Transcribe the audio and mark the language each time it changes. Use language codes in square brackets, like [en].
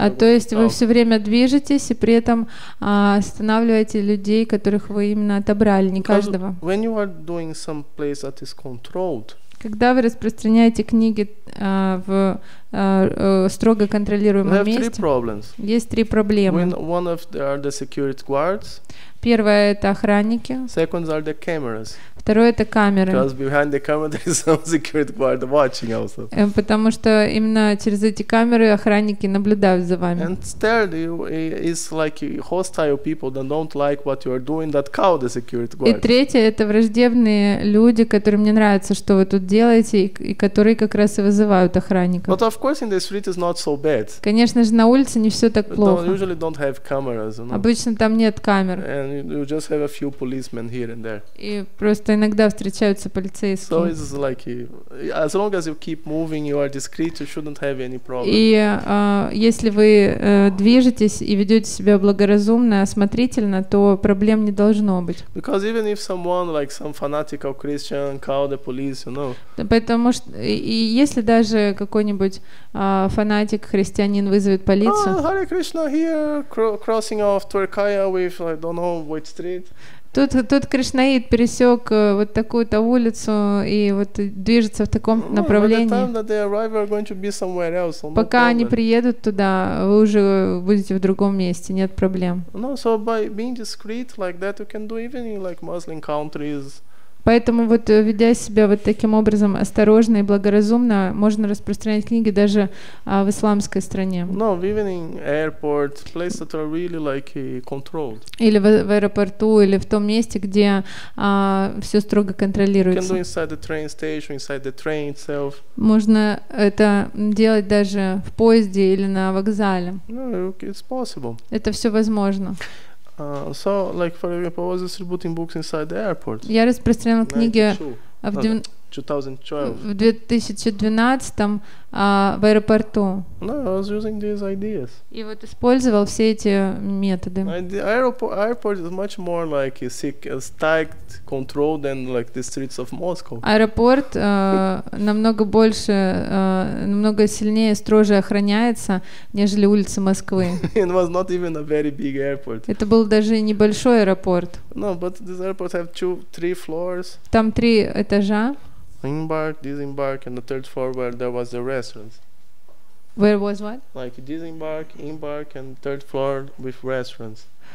[ru] А то есть вы все время движетесь и при этом останавливаете людей, которых вы именно отобрали, не каждого. [en] When you are doing some place that is controlled. [ru] Когда вы распространяете книги в строго контролируемом месте, есть три проблемы. [en] One of them are the security guards. [ru] Первое – это охранники. [en] Second are the cameras. [ru] Второе – это камеры. [en] Because behind the camera there is some security guard watching also. [ru] Потому что именно через эти камеры охранники наблюдают за вами. [en] And third, it's like hostile people that don't like what you are doing that cow the security guard. [ru] И третье – это враждебные люди, которым не нравится, что вы тут делаете, и которые как раз и вызывают охранников. [en] But of course in the street is not so bad. [ru] Конечно же, на улице не все так плохо. [en] Usually don't have cameras, you know? [ru] Обычно там нет камер. [en] And you just have a few policemen here and there. [ru] И просто иногда встречаются полицейские. [en] So it's like as long as you keep moving, you are discreet, you shouldn't have any problem. [ru] И если вы движетесь и ведете себя благоразумно, осмотрительно, то проблем не должно быть. [en] Because even if someone like some fanatical Christian call the police, you know. [ru] Потому что и если даже какой-нибудь фанатик христианин вызовет полицию. [en] Oh, Hare Krishna here, crossing off Turkaya with like don't know which street. [ru] Тут Кришнаид пересек вот такую-то улицу и вот движется в таком направлении. Пока они приедут туда, вы уже будете в другом месте, нет проблем. [en] No, so by being discreet like that, you can do even in like Muslim countries. [ru] Поэтому вот ведя себя вот таким образом осторожно и благоразумно, можно распространять книги даже в исламской стране. [en] No, even in airport, place that are really like controlled. [ru] Или в аэропорту, или в том месте, где все строго контролируется. [en] You can do inside the train station, inside the train itself. [ru] Можно это делать даже в поезде или на вокзале. [en] No, it's possible. [ru] Это все возможно. [en] So, like, for example, I was distributing books inside the airport. [ru] Я распространял книги в 2012-м в аэропорту. [en] No, I was using these ideas. [ru] И вот использовал все эти методы. [en] Airport is much more like a tight control than like the streets of Moscow. [ru] Аэропорт намного больше, намного сильнее, строже охраняется, нежели улицы Москвы. [en] It was not even a very big airport. [ru] Это был даже небольшой аэропорт. [en] No, but this airport have three floors. [ru] Там три этажа. [en] Embark, disembark, and the third floor where there was the restaurants. Where was what? Like disembark, embark and third floor with restaurants.